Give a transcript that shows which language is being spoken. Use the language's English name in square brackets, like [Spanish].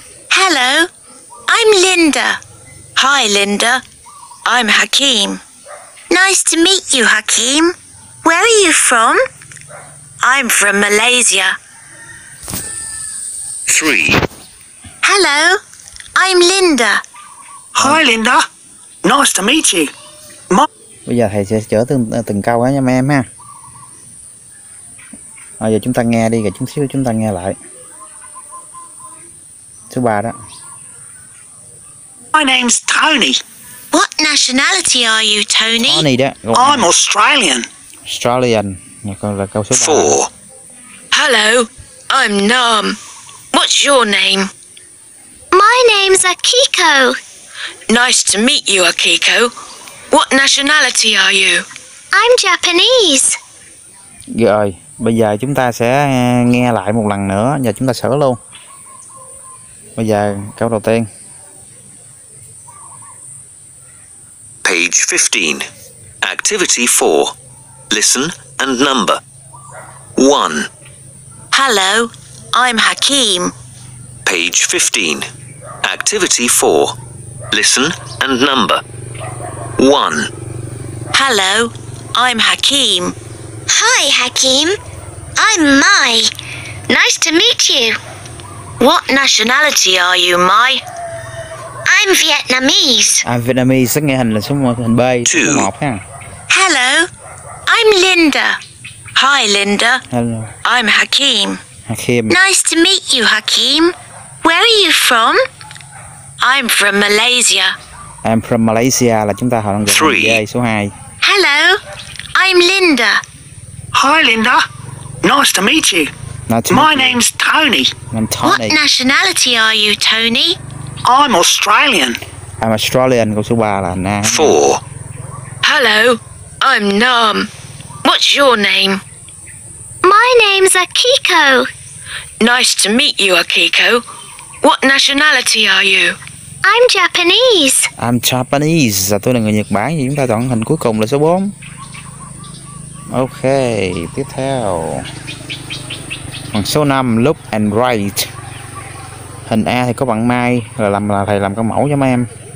[English] Hello, I'm Linda. Hi Linda, I'm Hakim. Nice to meet you, Hakim. Where are you from? I'm from Malaysia. 3. Hello, I'm Linda. Hi Linda, nice to meet you. [Vietnamese] Bây giờ thầy sẽ chở từng câu đó nha mấy em ha. Bây giờ chúng ta nghe đi, rồi chút xíu chúng ta nghe lại. Số 3 đó. [English] My name's Tony. What nationality are you, Tony? [Vietnamese] Tony đó. Gọi I'm nè. Australian. Australian. Là câu số 4. 3. [English] Hello, I'm Nam. What's your name? My name's Akiko. Nice to meet you, Akiko. What nationality are you? I'm Japanese. [Vietnamese] Rồi, bây giờ chúng ta sẽ nghe lại một lần nữa và chúng ta sửa luôn. Bây giờ câu đầu tiên. [English] Page 15, activity 4. Listen and number. 1. Hello, I'm Hakim. Page 15, activity 4. Listen and number. 1. Hello, I'm Hakim. Hi Hakim, I'm Mai. Nice to meet you. What nationality are you, Mai? I'm Vietnamese. I'm Vietnamese, [Vietnamese] nghe hình là số 1, hình B. 2. Số 1, ha. [English] Hello, I'm Linda. Hi Linda. Hello. I'm Hakim. Hakim. Nice to meet you, Hakim. Where are you from? I'm from Malaysia. I'm from Malaysia [Vietnamese] là chúng ta hỏi đồng nghiệp số 2. [English] Hello, I'm Linda. Hi Linda, nice to meet you. Nice to My meet you. Name's Tony. I'm Tony. What nationality are you, Tony? I'm Australian. I'm Australian, [Vietnamese] câu số 3 là nè. [English] 4. Hello, I'm Nam. What's your name? My name's Akiko. Nice to meet you, Akiko. What nationality are you? I'm Japanese. I'm Japanese. [Vietnamese] Tôi là người Nhật Bản. Chúng ta chọn hình cuối cùng là số 4. Ok, tiếp theo. Phần số 5, look and write. Hình A thì có bạn Mai là làm là thầy làm cái mẫu cho mấy em.